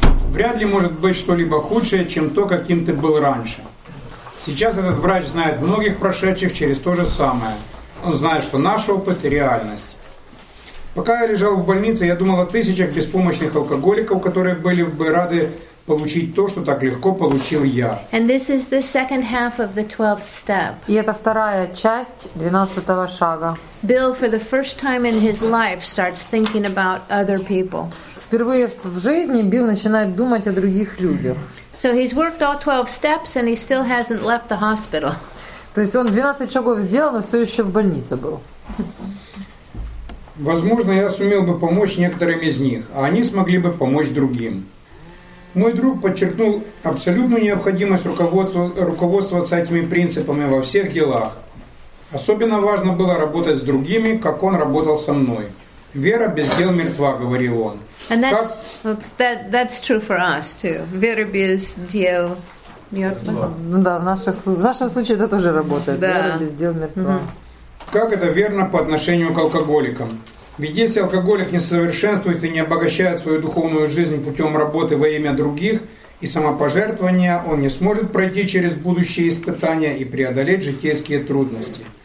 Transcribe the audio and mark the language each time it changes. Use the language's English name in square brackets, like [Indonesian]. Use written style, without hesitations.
[Russian] Вряд ли может быть что-либо худшее, чем то, каким ты был раньше. Сейчас этот врач знает многих прошедших через то же самое. Он знает, что наш опыт – реальность. Пока я лежал в больнице, я думал о тысячах беспомощных алкоголиков, которые были бы рады получить то, что так легко получил я». [English] And this is the second half of the 12th step. [Russian] И это вторая часть 12-го шага. [English] Bill, for the first time in his life, starts thinking about other people. [Russian] Впервые в жизни Билл начинает думать о других людях. [English] So he's worked all 12 steps and he still hasn't left the hospital. [Russian] То есть он 12 шагов сделал, но все еще в больнице был. Возможно, я сумел бы помочь некоторым из них, а они смогли бы помочь другим. Мой друг подчеркнул абсолютную необходимость руководствоваться этими принципами во всех делах. Особенно важно было работать с другими, как он работал со мной. «Вера без дел мертва», — говорил он. [English] And that's, oops, that's true for us too. [Russian] «Вера без дел». Ну да, в нашем случае это тоже работает. Да. Вера без дел мертва. Как это верно по отношению к алкоголикам? Ведь если алкоголик не совершенствует и не обогащает свою духовную жизнь путем работы во имя других и самопожертвования, он не сможет пройти через будущие испытания и преодолеть житейские трудности.